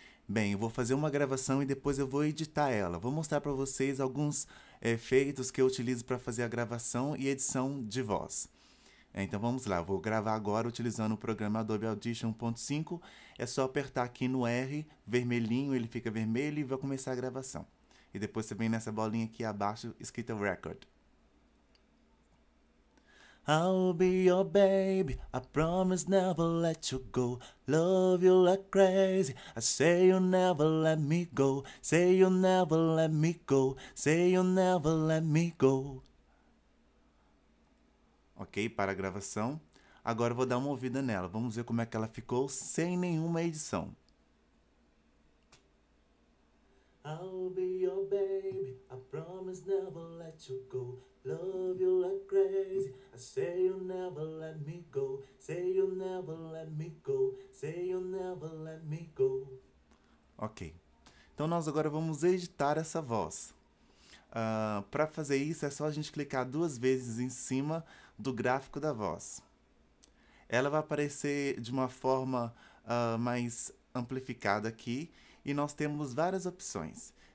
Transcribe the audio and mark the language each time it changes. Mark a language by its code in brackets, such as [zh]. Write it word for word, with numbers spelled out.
[pt] Bem, eu vou fazer uma gravação e depois eu vou editar ela. Vou mostrar para vocês alguns efeitos que eu utilizo para fazer a gravação e edição de voz. É, Então vamos lá, eu vou gravar agora utilizando o programa Adobe Audition um ponto cinco. É só apertar aqui no R, vermelhinho, ele fica vermelho e vai começar a gravação. E depois você vem nessa bolinha aqui abaixo, escrita Record. [en] I'll be your baby, I promise never let you go. Love you like crazy, I say you'll never let me go. Say you'll never let me go, say you'll never let me go. [pt] Ok, para a gravação. Agora eu vou dar uma ouvida nela. Vamos ver como é que ela ficou sem nenhuma edição. [en] I'll be your baby, I promise never let you go. Love you like crazy, I say you'll never let me go. Say you'll never let me go, say you'll never let me go. [pt] Ok, então nós agora vamos editar essa voz. Para fazer isso é só a gente clicar duas vezes em cima do gráfico da voz. Ela vai aparecer de uma forma ah, mais amplificada aqui e nós temos várias opções.